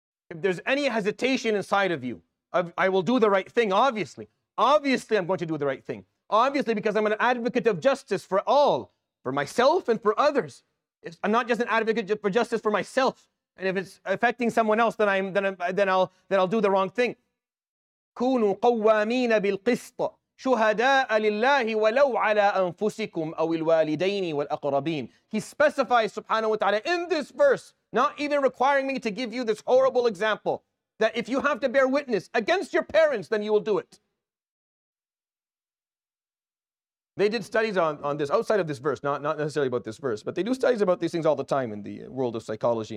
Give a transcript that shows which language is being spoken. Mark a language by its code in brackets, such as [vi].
[en] If there's any hesitation inside of you, I will do the right thing, obviously. Obviously, I'm going to do the right thing. Obviously, because I'm an advocate of justice for all, for myself and for others. I'm not just an advocate for justice for myself. And if it's affecting someone else, then I'll do the wrong thing. [ar] كونوا قوامين بالقسط شهداء لله ولو على أنفسكم أو الوالدين والأقربين. [en] He specifies, subhanahu wa ta'ala, in this verse, not even requiring me to give you this horrible example, that if you have to bear witness against your parents, then you will do it. They did studies on this, outside of this verse, not necessarily about this verse, but they do studies about these things all the time in the world of psychology.